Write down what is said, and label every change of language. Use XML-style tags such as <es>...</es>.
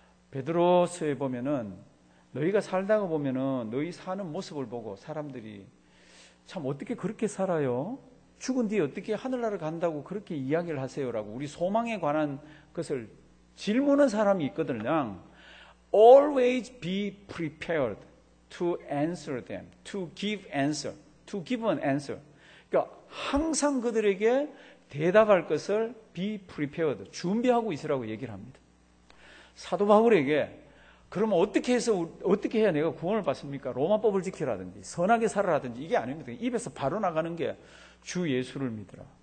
<ko>베드로서에 보면은 너희가 살다가 보면은 너희 사는 모습을 보고 사람들이 참 어떻게 그렇게 살아요? 죽은 뒤에 어떻게 하늘나라 간다고 그렇게 이야기를 하세요라고 우리 소망에 관한 것을 질문한 사람이 있거든요.</ko> <en>Always be prepared to answer them, to give answer, to give an answer.</en> <ko>그러니까 항상 그들에게 대답할 것을</ko> <en>be prepared,</en> <ko>준비하고 있으라고 얘기를 합니다. 사도 바울에게 그러면 어떻게 해야 내가 구원을 받습니까? 로마법을 지키라든지 선하게 살아라든지 이게 아닙니다. 입에서 바로 나가는 게 주 예수를 믿으라.</ko>